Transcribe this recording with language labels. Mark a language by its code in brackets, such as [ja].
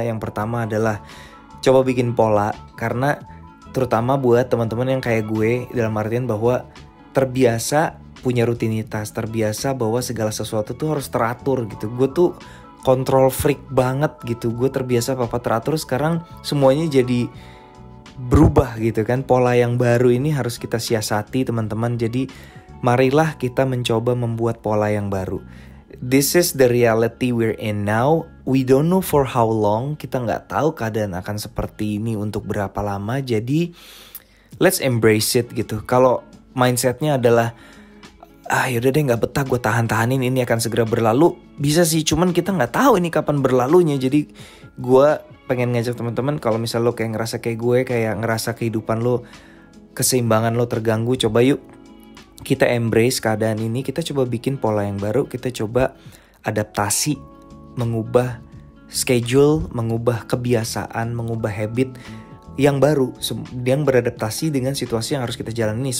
[id] Yang pertama adalah coba bikin pola, karena terutama buat teman-teman yang kayak gue, dalam artian bahwa terbiasa punya rutinitas, terbiasa bahwa segala sesuatu tuh harus teratur gitu. Gue tuh control freak banget gitu, gue terbiasa apa-apa teratur, sekarang semuanya jadi berubah gitu kan. Pola yang baru ini harus kita siasati teman-teman. Jadi marilah kita mencoba membuat pola yang baru. [en] This is the reality we're in now. We don't know for how long. [id] Kita gak tahu keadaan akan seperti ini untuk berapa lama. Jadi [en] let's embrace it [id] gitu. Kalau mindsetnya adalah yaudah deh gak betah, gue tahan-tahanin, ini akan segera berlalu. Bisa sih, cuman kita gak tahu ini kapan berlalunya. Jadi gue pengen ngajak teman-teman, kalau misalnya lo kayak ngerasa kayak gue, kayak ngerasa kehidupan lo, keseimbangan lo terganggu, coba yuk kita embrace keadaan ini, kita coba bikin pola yang baru, kita coba adaptasi, mengubah schedule, mengubah kebiasaan, mengubah habit yang baru, yang beradaptasi dengan situasi yang harus kita jalani.